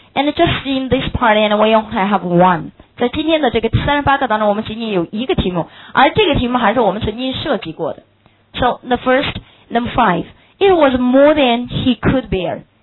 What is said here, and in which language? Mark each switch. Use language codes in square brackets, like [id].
[en] And just in this part, and we only have one. [zh] 在今天的这个38课当中，我们仅仅有一个题目，而这个题目还是我们曾经设计过的。 [en] So the first, number 5, it was more than he could bear.